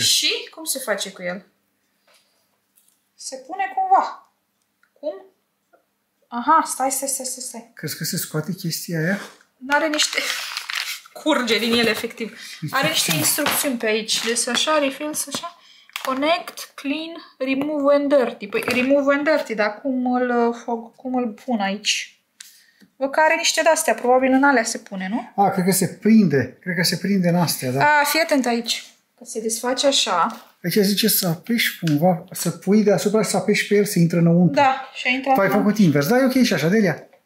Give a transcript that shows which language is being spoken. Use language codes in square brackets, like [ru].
[ro] Și cum se face cu el? Se pune cumva. Cum? Aha, stai. Crezi că se scoate chestia aia? N-are niște... Curge din el, efectiv. Are niște instrucțiuni pe aici. Deci așa, refills, așa. [en] Connect, clean, remove and dirty. [ro] Păi, [en] remove and dirty, [ro] dar cum îl pun aici? Vă că are niște de-astea, probabil în alea se pune, nu? A, cred că se prinde. Cred că se prinde în astea, da? A, fii atent aici. Că se desface așa. Aici zice să apeși cumva, să pui deasupra și să apeși pe el, să intre înăuntru. Da, și a intrat. Păi, ai făcut invers. Da, e ok și așa, Delia.